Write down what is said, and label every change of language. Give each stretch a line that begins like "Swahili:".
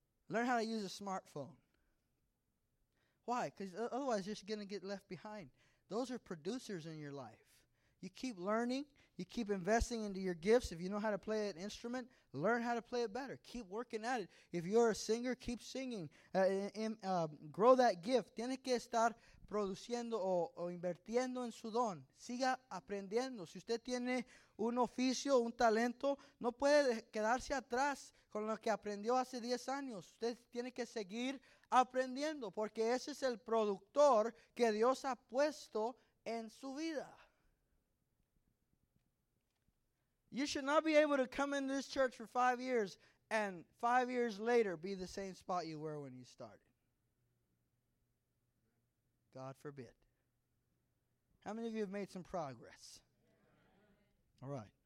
English: Learn how to use a smartphone. Why? Because otherwise you're just going to get left behind. Those are producers in your life. You keep learning. You keep investing into your gifts. If you know how to play an instrument, learn how to play it better. Keep working at it. If you're a singer, keep singing. Grow that gift.
Spanish: Tiene que estar produciendo o invirtiendo en su don. Siga aprendiendo. Si usted tiene un oficio, un talento, no puede quedarse atrás con lo que aprendió hace 10 años. Usted tiene que seguir aprendiendo porque ese es el productor que Dios ha puesto en su vida.
English: You should not be able to come into this church for 5 years and 5 years later be the same spot you were when you started. God forbid. How many of you have made some progress? All right.